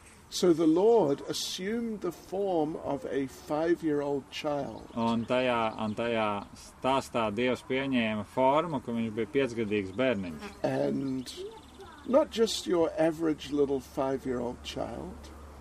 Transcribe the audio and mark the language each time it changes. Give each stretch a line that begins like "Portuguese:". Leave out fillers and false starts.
English: So the Lord assumed the form of a 5-year-old child.
Latvian: Un tajā stāstā Dievs pieņēma formu, ka viņš bija 5-gadīgs bērniņš.
English: And not just your average little 5-year-old child.